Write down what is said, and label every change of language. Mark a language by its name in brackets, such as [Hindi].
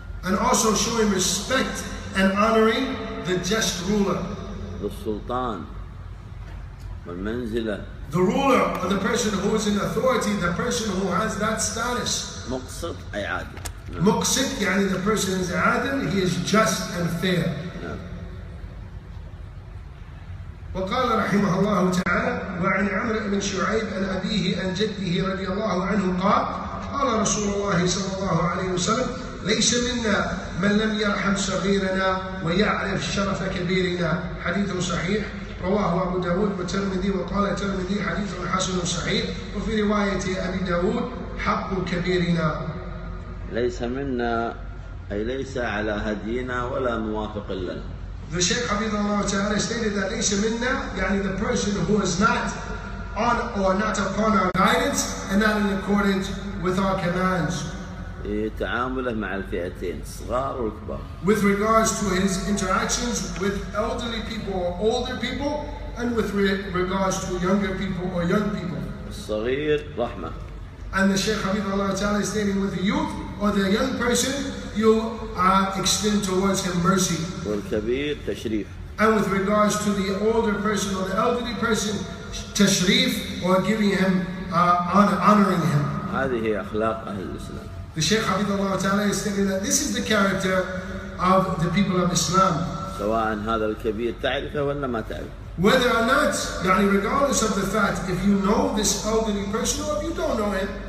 [English] And also showing respect and honoring the just ruler. [Arabic] السلطان والمنزلة. [English] The ruler or the person who is in authority, the person who has that status. [Arabic] مقسط أي عادل. مقسط يعني [English] the person is عادل, he is just and fair. [Arabic] وقال رحمه الله تعالى وعن عمر بن شعيب عن أبيه عن جده رضي الله عنه قال قال رسول الله صلى الله عليه وسلم ليس منا من لم يرحم صغيرنا ويعرف شرف كبيرنا. حديث صحيح رواه أبو داود والترمذي وقال الترمذي حديث حسن صحيح وفي رواية أبي داود حق كبيرنا. ليس منا أي ليس على هدينا ولا موافق لنا. [English] The Shaykh Habibullah Ta'ala stated that Isha Minna, يعني the person who is not on or not upon our guidance and not in accordance with our commands. [Arabic] تعامله مع الفئتين صغار وكبار. [English] With regards to his interactions with elderly people or older people and with regards to younger people or young people. [Arabic] الصغير رحمة. [English] And the Shaykh Habibullah Ta'ala stating with the youth or the young person, you extend towards him mercy. [Arabic] والكبير تشريف. [English] And with regards to the older person or the elderly person, تشريف or giving him honoring him. [Arabic] هذه هي أخلاق أهل الإسلام. [English] The Shaykh Habibullah Ta'ala is stating that this is the character of the people of Islam. [Arabic] سواء هذا الكبير تعرفه ولا ما تعرفه. [English] Whether or not, يعني regardless of the fact, if you know this elderly person or if you don't know him.